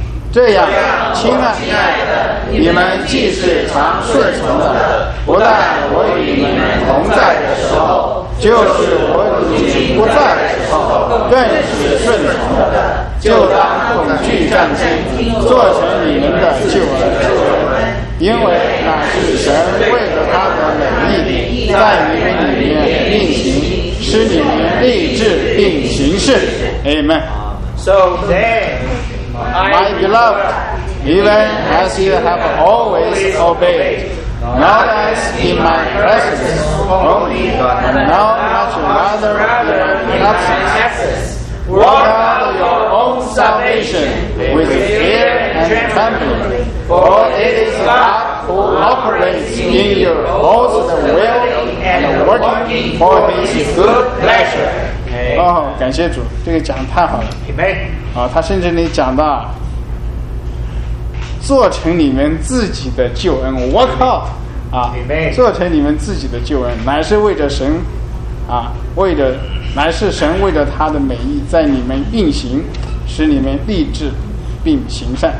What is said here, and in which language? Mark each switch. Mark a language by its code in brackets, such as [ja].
[zh] 这样，亲爱的，你们既是常顺从的，不但我与你们同在的时候，就是我已经不在的时候，更是顺从的，就当恐惧战兢，做成你们的救恩，因为那是神为了他的美意，在你们里面运行，使你们立志并行事。 [en] Amen. So then. My beloved, even as you have always obeyed, not as in my presence only, but now much rather in my absence, work out your own salvation with fear and trembling, for it is God who operates in you both the will and the working for his good pleasure. [zh] 哦，感谢主，这个讲得太好了。 [en] Amen. [zh] 他甚至你讲到做成你们自己的救恩 ， [en] work out [zh] 啊， [en] Amen. [zh] 做成你们自己的救恩，乃是为着神啊，为着乃是神为着他的美意在你们运行，使你们立志并行善。